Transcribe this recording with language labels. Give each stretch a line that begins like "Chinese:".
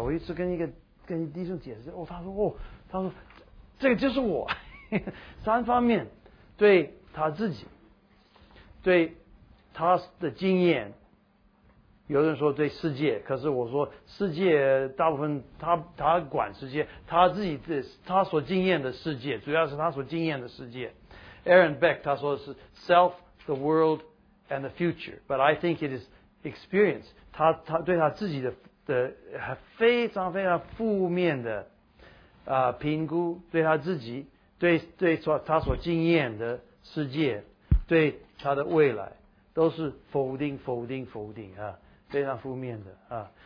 Chinese: 我一直跟弟兄解释，哦，他说这个就是我，三方面，对他自己，对他的经验，有人说对世界，可是我说世界大部分他管世界，他自己的他所经验的世界，主要是他所经验的世界。 Aaron Beck 他说是 self。
English: The world and the future, but I think it is experience.
Chinese: 他对他自己的非常非常负面的评估，对他自己，对他所经验的世界，对他的未来，都是否定啊，非常负面的啊。